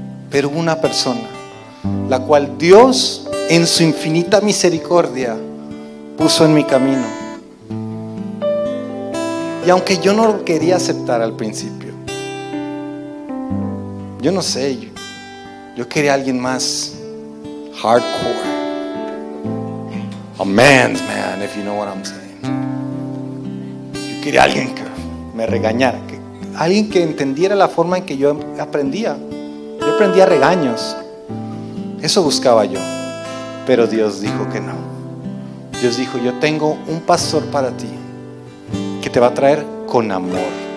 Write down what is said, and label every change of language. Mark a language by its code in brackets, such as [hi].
[es] Pero una persona, la cual Dios en su infinita misericordia puso en mi camino. Y aunque yo no lo quería aceptar al principio, yo no sé, yo quería a alguien más hardcore. [en] A man's man, if you know what I'm saying. [es] Yo quería a alguien que me regañara, que alguien que entendiera la forma en que yo aprendía. Yo prendía regaños. Eso buscaba yo. Pero Dios dijo que no. Dios dijo, yo tengo un pastor para ti que te va a traer con amor.